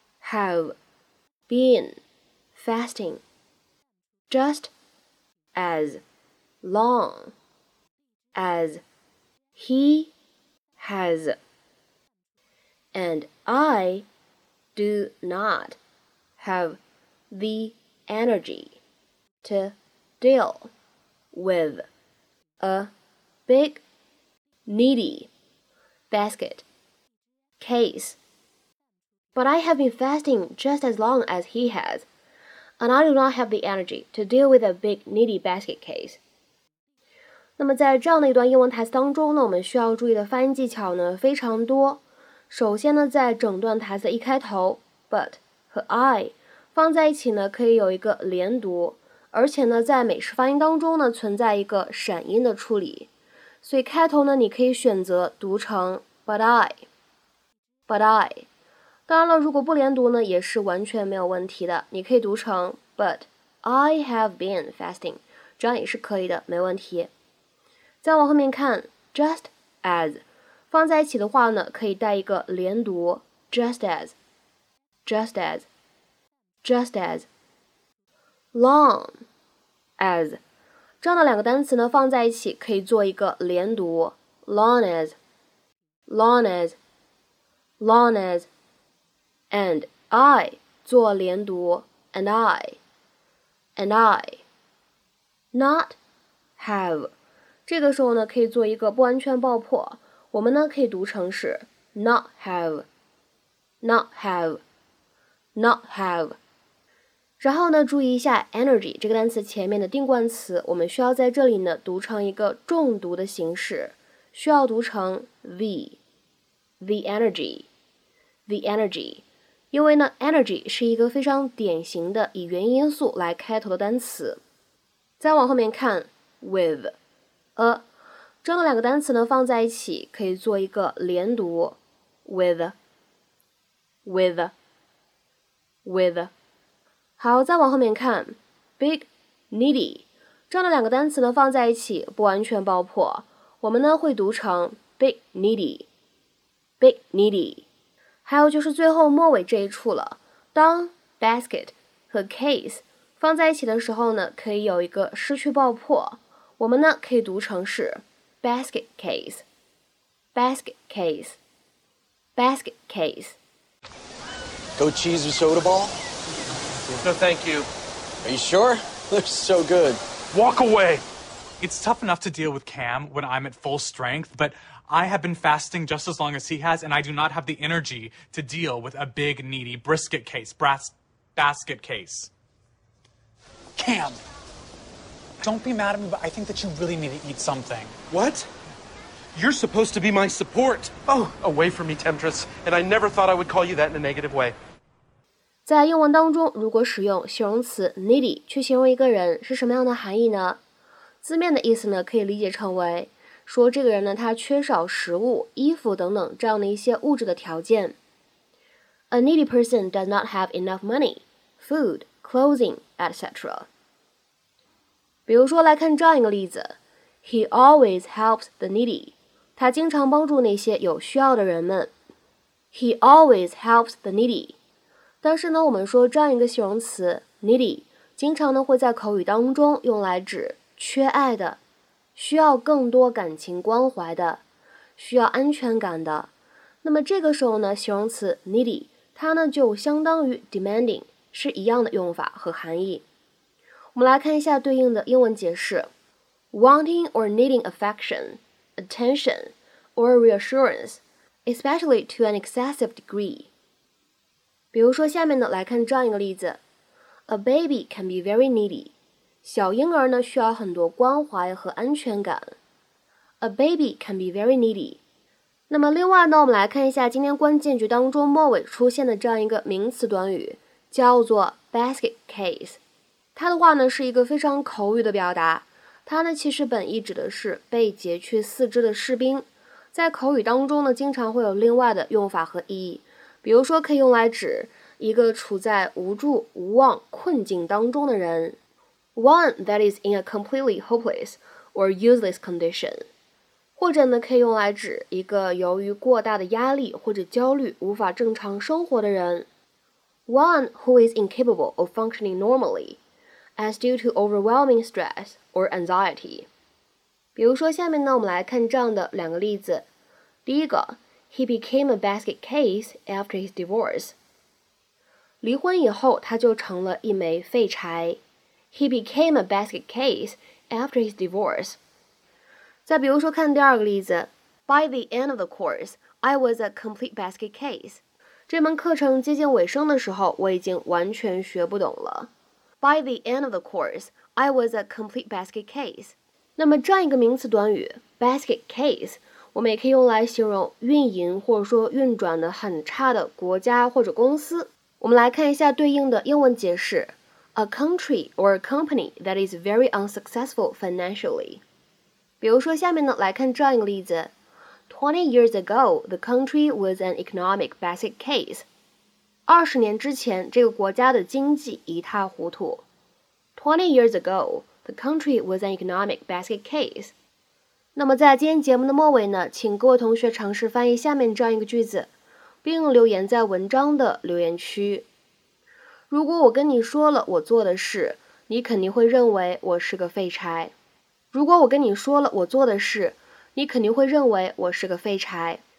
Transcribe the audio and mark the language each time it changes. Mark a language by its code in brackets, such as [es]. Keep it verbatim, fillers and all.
[en] have been fasting just as long as he has, and I do not have the energy to deal with a big, needy basket case. But I have been fasting just as long as he has, and I do not have the energy to deal with a big, needy basket case. [zh] 那么在这样的一段英文台词当中呢，我们需要注意的发音技巧呢非常多。首先呢，在整段台词的一开头 ，but 和 I 放在一起呢，可以有一个连读，而且呢，在美式发音当中呢，存在一个闪音的处理，所以开头呢，你可以选择读成 but I, but I。当然了，如果不连读呢，也是完全没有问题的。你可以读成 But I have been fasting， 这样也是可以的，没问题。再往后面看 ，just as 放在一起的话呢，可以带一个连读 ，just as，just as，just as，long as 这样的两个单词呢放在一起可以做一个连读 ，long as，long as，long as。 And I 做连读 and I and I not have 这个时候呢可以做一个不完全爆破，我们呢可以读成是 not have not have not have。然后呢注意一下 energy 这个单词前面的定冠词，我们需要在这里呢读成一个重读的形式，需要读成 the the energy the energy，因为呢 energy 是一个非常典型的以元音素来开头的单词。再往后面看 with a 这样的两个单词呢放在一起可以做一个连读 with with with。好，再往后面看 big needy 这样的两个单词呢放在一起不完全爆破，我们呢会读成 big needy big needy。还有就是最后末尾这一处了，当 basket 和 case 放在一起的时候呢，可以有一个失去爆破，我们呢可以读成是 basket case basket case basket case。 [en] Go cheese with soda ball? No, thank you. Are you sure? Looks so good. Walk away. It's tough enough to deal with Cam when I'm at full strength, but I have been fasting just as long as he has, and I do not have the energy to deal with a big, needy brisket case, brass basket case. Cam, don't be mad at me, but I think that you really need to eat something. What? You're supposed to be my support. Oh, away from me, temptress, and I never thought I would call you that in a negative way. [zh] 在英文当中，如果使用形容词 needy 去形容一个人，是什么样的含义呢？字面的意思呢，可以理解成为说这个人呢，他缺少食物、衣服等等这样的一些物质的条件。 [en] A needy person does not have enough money, food, clothing, et cetera. [zh] 比如说来看这样一个例子 ， [en] He always helps the needy. [zh] 他经常帮助那些有需要的人们。 [en] He always helps the needy. [zh] 但是呢，我们说这样一个形容词 needy，经常呢会在口语当中用来指缺爱的、需要更多感情关怀的、需要安全感的。那么这个时候呢，形容词 needy 它呢就相当于 demanding， 是一样的用法和含义。我们来看一下对应的英文解释 [en] ：wanting or needing affection, attention, or reassurance, especially to an excessive degree。 [zh] 比如说，下面呢来看这样一个例子 ： [en] A baby can be very needy。 [zh] 小婴儿呢需要很多关怀和安全感。 [en] A baby can be very needy。 [zh] 那么另外呢，我们来看一下今天关键句当中末尾出现的这样一个名词短语，叫做 basket case。它的话呢是一个非常口语的表达，它呢其实本意指的是被截去四肢的士兵，在口语当中呢经常会有另外的用法和意义，比如说可以用来指一个处在无助、无望、困境当中的人 ， [en] one that is in a completely hopeless or useless condition， [zh] 或者呢可以用来指一个由于过大的压力或者焦虑无法正常生活的人 ， [en] one who is incapable of functioning normally。 As due to overwhelming stress or anxiety。 [zh] 比如说下面呢我们来看这样的两个例子。第一个 [en] He became a basket case after his divorce。 [zh] 离婚以后他就成了一枚废柴。 [en] He became a basket case after his divorce。 [zh] 再比如说看第二个例子。 [en] By the end of the course, I was a complete basket case。 [zh] 这门课程接近尾声的时候，我已经完全学不懂了。 [en] By the end of the course, I was a complete basket case. [zh] 那么这样一个名词短语 basket case， 我们也可以用来形容运营或者说运转的很差的国家或者公司。我们来看一下对应的英文解释 [en] ：a country or a company that is very unsuccessful financially。 [zh] 比如说下面呢来看这样一个例子 [en] ：Twenty years ago, the country was an economic basket case. [zh] 二十年之前，这个国家的经济一塌糊涂。 [en] Twenty years ago, the country was an economic basket case. [zh] 那么在今天节目的末尾呢，请各位同学尝试翻译下面这样一个句子，并留言在文章的留言区。如果我跟你说了我做的事，你肯定会认为我是个废柴。如果我跟你说了我做的事，你肯定会认为我是个废柴。